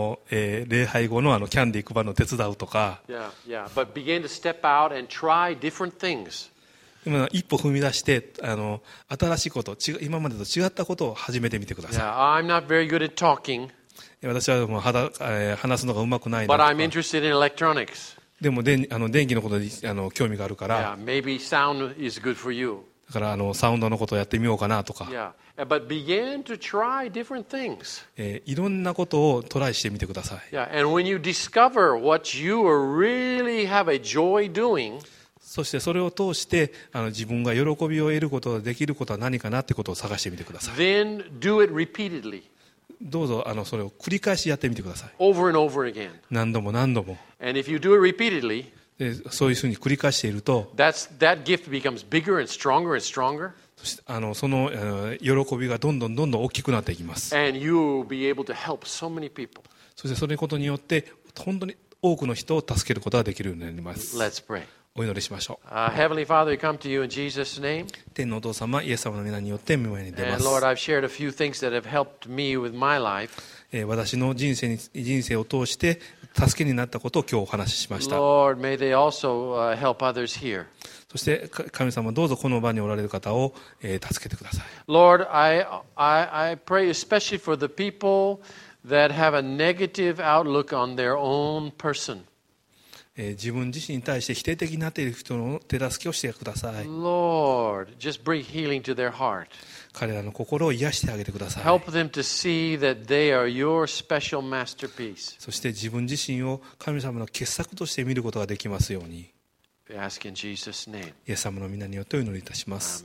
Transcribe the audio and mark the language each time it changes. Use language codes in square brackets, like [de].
[ja] 礼拝後 のキャンディー配るの手伝うとか。 [en] Yeah, yeah. But begin to step out and try different things. [ja] 今一歩踏み出して新しいこと今までと違ったことを始めてみてください。 [en] Yeah, I'm not very good at talking. [ja] 私はもう話すのがうまくないので。 [en] But I'm interested in electronics. [ja] でも電気のことに興味があるから。 [en] Yeah, maybe sound is good for you. [ja] だからサウンドのことをやってみようかなとか。 [en] Yeah, but begin to try different things. [ja] いろんなことをトライしてみてください。 [en] Yeah, and when you discover what you really have a joy doing. [ja] そしてそれを通して自分が喜びを得ることができることは何かなってことを探してみてください。 [en] Then do it repeatedly. [ja] どうぞそれを繰り返しやってみてください。 [en] Over and over again. [ja] 何度も何度も。 [en] And if you do it repeatedly, [ja] でそういうふうに繰り返していると、 [en] that gift becomes bigger and stronger and stronger. [ja] そして喜びがどんどんどんどん大きくなっていきます。 [en] And you'll be able to help so many people. [ja] そしてそれことによって本当に多くの人を助けることができるようになります。 [en] Let's pray. [ja] お祈りしましょう。 [en] Heavenly Father, we come to you in Jesus' name. [ja] 天のお父様、イエス様の名によって御前に出ます。 [en] And Lord, I've shared a few things that have helped me with my life. [ja] 私の人生を通して助けになったことを今日お話ししました。 [en] Lord, may they also help others here. [ja] そして神様、どうぞこの場におられる方を助けてください。 [en] Lord, I pray especially for the people that have a negative outlook on their own person. [ja] 自分自身に対して否定的になっている人の手助けをしてください。 [en] Lord, just bring healing to their heart. [ja] 彼らの心を癒してあげてください。 [en] Help them to see that they are your special masterpiece. [ja] そして自分自身を神様の傑作として見ることができますように。 [en] We ask in Jesus' name. [ja] イエス様の名によってお祈りいたします。